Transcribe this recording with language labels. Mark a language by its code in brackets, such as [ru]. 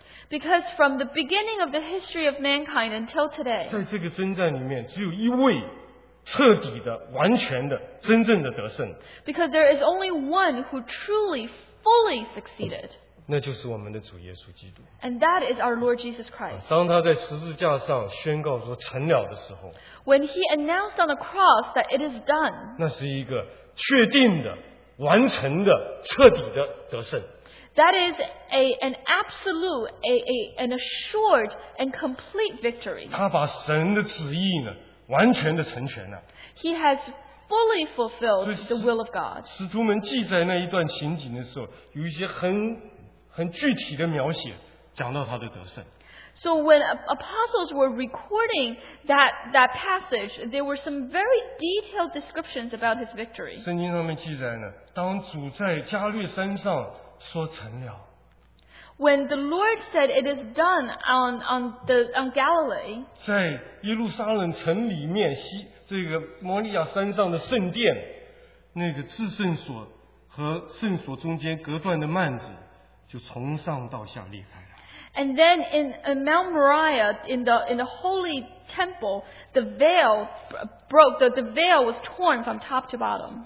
[en] Because from the beginning of the history of mankind until today, [zh] 在这个征战里面, 只有一位, 彻底的, 完全的, 真正的得胜, [en] because there is only one who truly, fully succeeded. [zh] 那就是我们的主耶稣基督。 [en] And that is our Lord Jesus Christ. [zh] 当他在十字架上宣告说成了的时候, [en] when he announced on the cross that it is done, [zh] 那是一个确定的, 完成的, 彻底的得胜。 [en] That is an absolute, an assured and complete victory. [zh] 他把神的旨意呢, 完全的成全了。 [en] He has fully fulfilled the will of God. [zh] 使徒们记载那一段情景的时候, 有一些很具体的描写, 讲到他的得胜。 [en] So when apostles were recording that passage, there were some very detailed descriptions about his victory. [zh] 圣经上面记载呢, 当主在加略山上说成了, [en] when the Lord said it is done on Galilee, [zh] 在耶路撒冷城里面, 这个摩利亚山上的圣殿, 那个至圣所和圣所中间隔断的幔子, 就从上到下裂开了。 [en] And then in Mount Moriah, in the holy temple, the veil broke, the veil was torn from top to bottom.